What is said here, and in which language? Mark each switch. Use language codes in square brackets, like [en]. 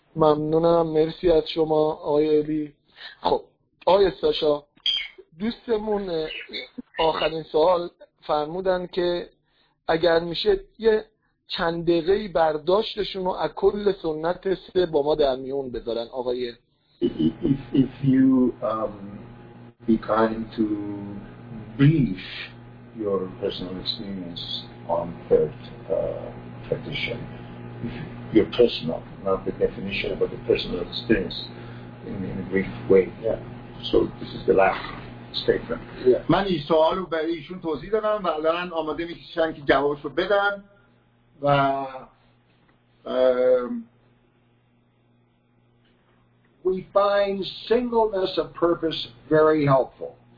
[fa] ممنونم. مرسی از شما آقای علی. خب آقای ساشا، دوستمون آخرین سوال فرمودن که اگر میشه یه چند دقیقه برداشتشون رو از کل سنت سه با ما در میون بذارن. آقای [en] if you be kind to brief your personal experience on third tradition, if your personal, not the definition, but the personal experience in a brief way. Yeah. So this is the last statement. Yeah. [fa] من این سوال رو به ایشون توضیح دادم و الان آماده میشن که جوابش رو بدن و [en] we find singleness of purpose very helpful.